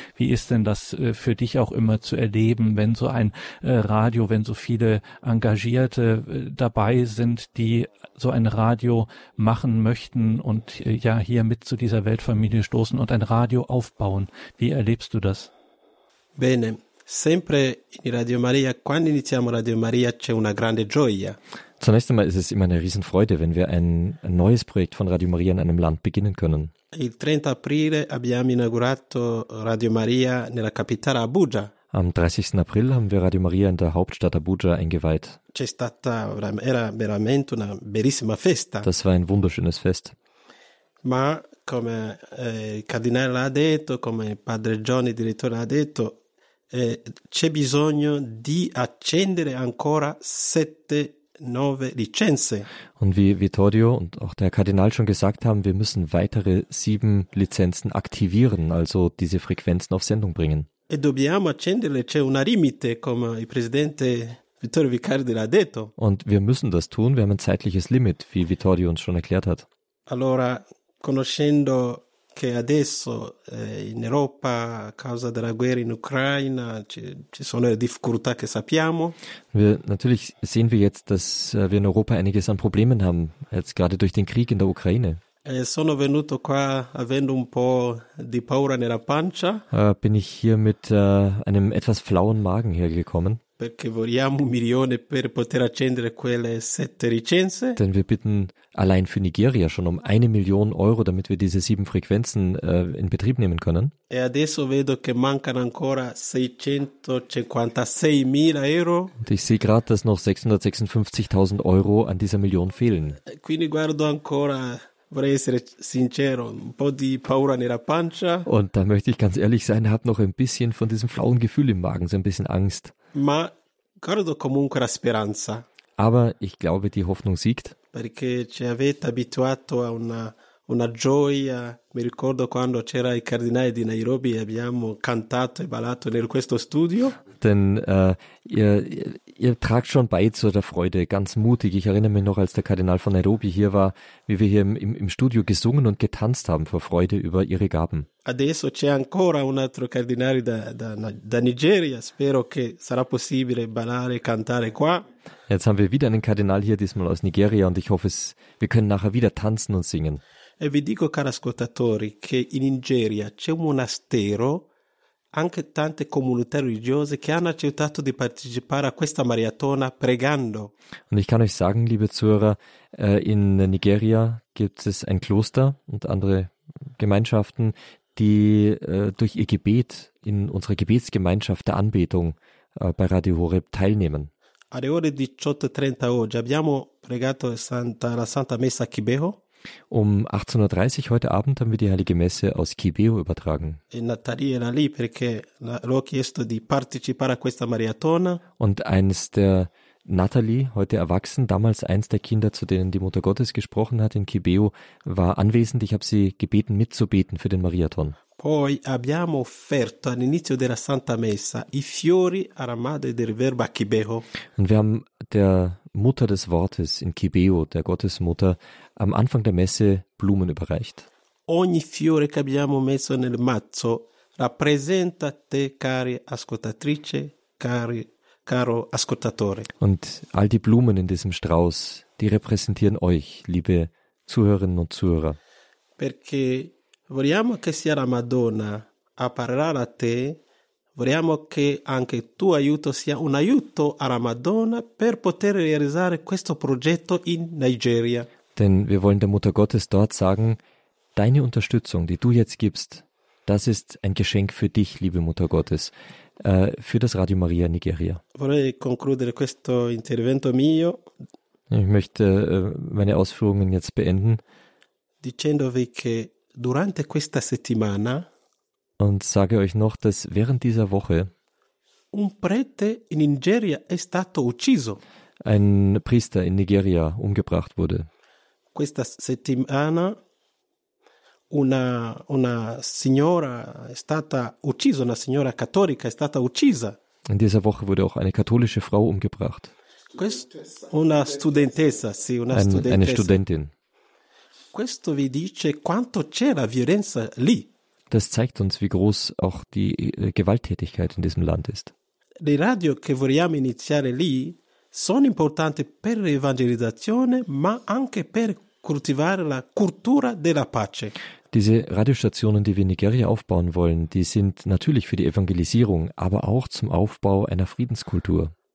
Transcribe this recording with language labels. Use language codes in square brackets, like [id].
[de] Wie ist denn das für dich auch immer zu erleben, wenn so ein Radio, wenn so viele Engagierte dabei sind, die so ein Radio machen möchten und ja hier mit zu dieser Weltfamilie stoßen und ein Radio aufbauen? Wie erlebst du das? [it] Bene. Sempre in Radio Maria, quando iniziamo Radio Maria, c'è una grande gioia. [de] Zunächst einmal ist es immer eine Riesenfreude, wenn wir ein neues Projekt von Radio Maria in einem Land beginnen können. [it] Il 30 aprile abbiamo inaugurato Radio Maria nella capitale Abuja. [de] Am 30. April haben wir Radio Maria in der Hauptstadt Abuja eingeweiht. [it] C'è stata, era veramente una bellissima festa. [de] Das war ein wunderschönes Fest. [it] Ma come il Cardinale ha detto, come Padre John, il direttore, ha detto, c'è bisogno di accendere ancora 7-9 licenze. [de] Und wie Vittorio und auch der Kardinal schon gesagt haben, wir müssen weitere 7 Lizenzen aktivieren, also diese Frequenzen auf Sendung bringen. [it] E dobbiamo accendere, c'è una limite, come il Presidente Vittorio Vicario l'ha detto. [de] Und wir müssen das tun, wir haben ein zeitliches Limit, wie Vittorio uns schon erklärt hat. [it] Allora, conoscendo che adesso in Europa a causa della guerra in Ucraina ci sono le difficoltà che sappiamo. [de] Natürlich sehen wir jetzt, dass wir in Europa einiges an Problemen haben, jetzt gerade durch den Krieg in der Ukraine. [it] Sono venuto qua avendo un po' di paura nella pancia. [de] Bin ich hier mit einem etwas flauen Magen hergekommen. [it] Perché vogliamo 1 milione per poter accendere quelle 7 licenze. [de] Denn wir bitten allein für Nigeria schon 1 Million Euro, damit wir diese 7 Frequenzen in Betrieb nehmen können. [it] E adesso vedo che mancano ancora 656.000 euro. [de] Und ich sehe gerade, dass noch 656.000 Euro an dieser Million fehlen. [it] Quindi guardo ancora, vorrei essere sincero, un po' di paura nella pancia. [de] Und da möchte ich ganz ehrlich sein, habe noch ein bisschen von diesem flauen Gefühl im Magen, so ein bisschen Angst. [it] Ma guardo comunque la speranza. [de] Aber ich glaube, die Hoffnung siegt. [it] Perché ci avete abituato a una gioia. Mi ricordo quando c'era il cardinale di Nairobi e abbiamo cantato e ballato in questo studio. [de] Denn ihr tragt schon bei zu der Freude, ganz mutig. Ich erinnere mich noch, als der Kardinal von Nairobi hier war, wie wir hier im Studio gesungen und getanzt haben vor Freude über ihre Gaben. [it] Adesso c'è ancora un altro cardinale da Nigeria. Spero che sarà possibile ballare e cantare qua. [de] Jetzt haben wir wieder einen Kardinal hier, diesmal aus Nigeria, und ich hoffe, wir können nachher wieder tanzen und singen. [it] E vi dico, cari ascoltatori, che in Nigeria c'è un monastero, anche tante comunità religiose che hanno accettato di partecipare a questa maratona pregando. [de] Und ich kann euch sagen, liebe Zuhörer, in Nigeria gibt es ein Kloster und andere Gemeinschaften, die durch ihr Gebet in unserer Gebetsgemeinschaft der Anbetung bei Radio Horeb teilnehmen. [it] Alle ore 18:30 oggi abbiamo pregato la Santa Messa a Kibeho. [de] Um 18:30 heute Abend haben wir die Heilige Messe aus Kibeho übertragen. Und eins der Nathalie, heute erwachsen, damals eins der Kinder, zu denen die Mutter Gottes gesprochen hat in Kibeho, war anwesend. Ich habe sie gebeten, mitzubeten für den Mariathon. [it] Poi abbiamo offerto all'inizio della Santa Messa i fiori alla madre del Verbo a Kibeho. [de] Und wir haben der Mutter des Wortes in Kibeho, der Gottesmutter, am Anfang der Messe Blumen überreicht. [it] Ogni fiore che abbiamo messo nel mazzo rappresenta te, cari ascoltatrice, caro ascoltatore. [de] Und all die Blumen in diesem Strauß, die repräsentieren euch, liebe Zuhörerinnen und Zuhörer. [it] Perché vogliamo che sia la Madonna a parlare a te. Vogliamo che anche tuo aiuto sia un aiuto alla Madonna per poter realizzare questo progetto in Nigeria. [de] Denn wir wollen der Mutter Gottes dort sagen, deine Unterstützung, die du jetzt gibst, das ist ein Geschenk für dich, liebe Mutter Gottes, für das Radio Maria Nigeria. [it] Vorrei concludere questo intervento mio. [de] Ich möchte meine Ausführungen jetzt beenden. [it] Dicendovi che durante questa settimana. [de] Und sage euch noch, dass während dieser Woche [it] un prete in Nigeria è stato ucciso. [de] Ein Priester in Nigeria umgebracht wurde. [it] Questa settimana una signora è stata uccisa, una signora cattolica è stata uccisa. [de] In dieser Woche wurde auch eine katholische Frau umgebracht. [it] Una studentessa. [de] Eine Studentin. [it] Questo vi dice quanto c'è la violenza lì. [de] Das zeigt uns, wie groß auch die Gewalttätigkeit in diesem Land ist. [it] Le radio che vogliamo iniziare lì sono importanti per l'evangelizzazione, ma anche per coltivare la cultura della pace. [de] Diese Radiostationen, die wir in Nigeria aufbauen wollen, die sind natürlich für die Evangelisierung, aber auch zum Aufbau einer Friedenskultur.